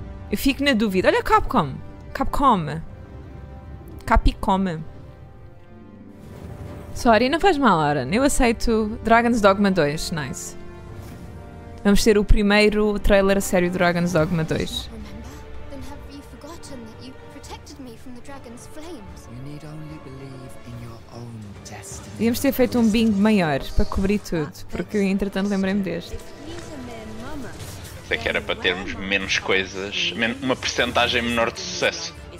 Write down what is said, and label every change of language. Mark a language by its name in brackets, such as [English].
[Portuguese] Eu fico na dúvida. Olha Capcom. Capcom. [English] Sorry, [Portuguese] não faz mal, Aaron. Eu aceito Dragon's Dogma 2. [English] Nice. [Portuguese] Vamos ter o primeiro trailer a sério de Dragon's Dogma 2. [English] Then have you forgotten that you protected me from the dragon's flames? You need only believe in your own destiny. [Portuguese] Devíamos ter feito um bingo maior para cobrir tudo, porque entretanto lembrei-me deste. Sei que era para termos menos coisas, uma percentagem menor de sucesso.